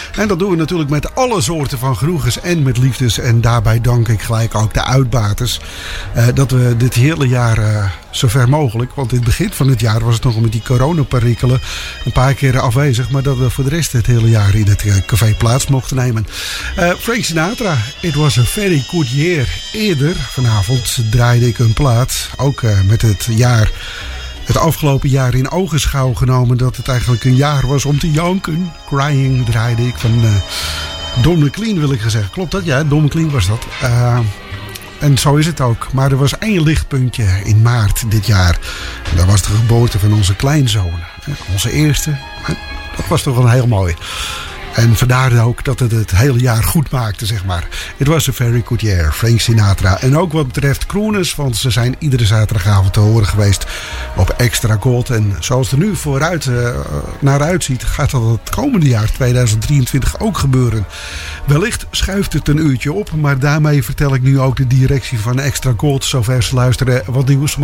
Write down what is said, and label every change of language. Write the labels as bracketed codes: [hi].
[nl] En dat doen we natuurlijk met alle soorten van genoegens en met liefdes. En daarbij dank ik gelijk ook de uitbaters dat we dit hele jaar zover mogelijk, want in het begin van het jaar was het nog met die coronaperikelen een paar keren afwezig, maar dat we voor de rest het hele jaar in het café plaats mochten nemen. [en] Frank Sinatra, it was a very good year. [nl] Eerder vanavond draaide ik een plaat, ook met het jaar, het afgelopen jaar in ogenschouw genomen, dat het eigenlijk een jaar was om te janken. Crying draaide ik van Don McLean, wil ik zeggen. Klopt dat? Ja, Don McLean was dat. En zo is het ook. Maar er was één lichtpuntje in maart dit jaar. En dat was de geboorte van onze kleinzoon. Onze eerste. Dat was toch een heel mooi. En vandaar ook dat het hele jaar goed maakte, zeg maar. [en] It was a very good year, Frank Sinatra. [nl] En ook wat betreft Crooners, want ze zijn iedere zaterdagavond te horen geweest op Extra Gold. En zoals het er nu vooruit naar uitziet, gaat dat het komende jaar 2023 ook gebeuren. Wellicht schuift het een uurtje op, maar daarmee vertel ik nu ook de directie van Extra Gold, zover ze luisteren, wat nieuws.